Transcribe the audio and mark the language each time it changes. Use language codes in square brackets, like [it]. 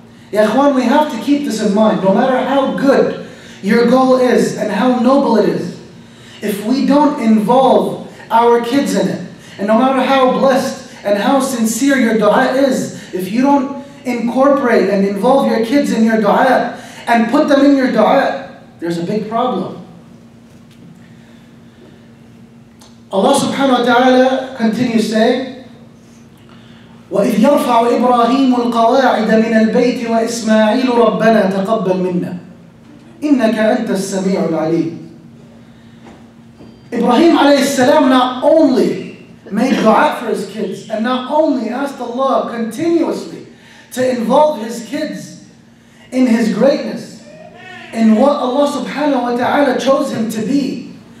[en] Ya Ikhwan, we have to keep this in mind. No matter how good your goal is and how noble it is, if we don't involve our kids in it, and no matter how blessed and how sincere your dua is, if you don't incorporate and involve your kids in your dua and put them in your dua, there's a big problem. Allah subhanahu wa ta'ala continues saying, [ar] وَإِذْ يَرْفَعُ إِبْرَاهِيمُ الْقَوَاعِدَ مِنَ الْبَيْتِ وَإِسْمَاعِيلُ رَبَّنَا تَقَبَّلْ مِنَّا. إِنَّكَ أَنْتَ السَّمِيعُ الْعَلِيمُ. [en] Ibrahim alayhi salam not only made dua for his kids and not only asked Allah continuously to involve his kids in his greatness, in what Allah subhanahu wa ta'ala chose him to be.